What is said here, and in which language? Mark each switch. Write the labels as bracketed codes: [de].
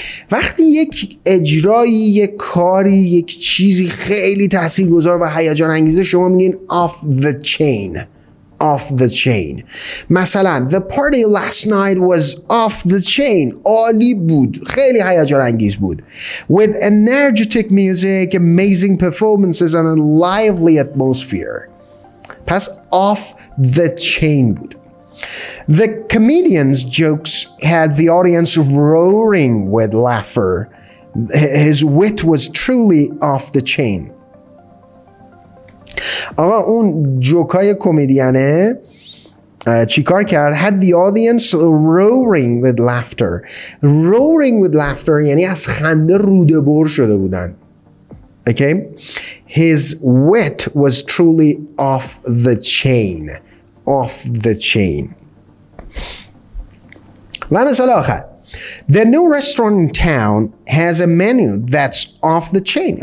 [fa] وقتی یک اجرایی، یک کاری، یک چیزی خیلی تاثیرگذار و هیجان انگیزه، شما میگین آف ده چین. [en] Off the chain. مثلا the party last night was off the chain. [fa] عالی بود، خیلی هیجان انگیز بود. [en] With energetic music, amazing performances and a lively atmosphere. [fa] پس off the chain بود. [en] The comedian's jokes had the audience roaring with laughter. His wit was truly off the chain. [fa] آقا اون جوکای کمدیانه چیکار کرد؟ [en] had the audience roaring with laughter. Roaring with laughter [fa] یعنی از خنده روده بر شده بودن. [en] Okay, his wit was truly off the chain. Off the chain. [fa] و مثال آخر، [en] the new restaurant in town has a menu that's off the chain.